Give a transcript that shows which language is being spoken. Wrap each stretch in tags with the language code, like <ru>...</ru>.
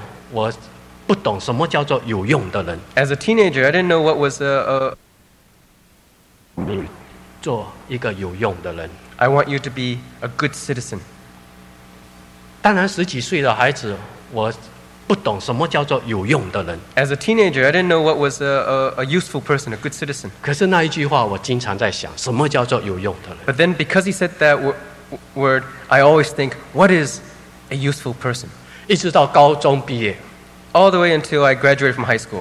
<zh>当然十几岁的孩子，我不懂什么叫做有用的人。</zh> <en>As a teenager, I didn't know what was a</en> <zh>做一个有用的人。</zh> <en>I want you to be a good citizen.</en> <zh>当然十几岁的孩子，我不懂什么叫做有用的人。</zh> <en>As a teenager, I didn't know what was a useful person, a good citizen.</en> <zh>可是那一句话，我经常在想，什么叫做有用的人？</zh> <en>But then, because he said that word, I always think, what is a useful person?</en> <zh>一直到高中毕业，</zh> <en>all the way until I graduated from high school,</en>